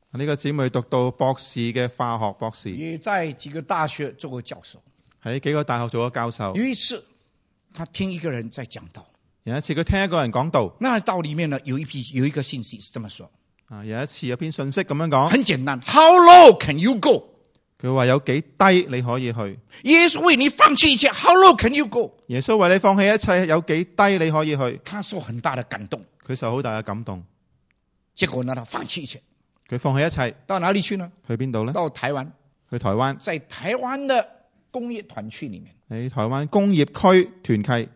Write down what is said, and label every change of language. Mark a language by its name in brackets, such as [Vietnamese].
[Chinese] 这个姊妹读到博士的化学博士，也在几个大学做过教授，在几个大学做过教授。有一次她听一个人在讲道，有一次他听一个人讲道，那道里面呢有一个信息是这么说、啊、有一次有一篇信息这样讲，很简单， [English] How low can you go？ [Chinese] 他说有几低你可以去，耶稣为你放弃一切， [English] How low can you go？ [Chinese] 耶稣为你放弃一切，有几低你可以去，他受很大的感动，他受很大的感动，结果呢他放弃一切，他放弃一切，到哪里去呢？去哪里呢？到台湾，去台湾，在台湾的工业团区里面，在台湾工业区团契，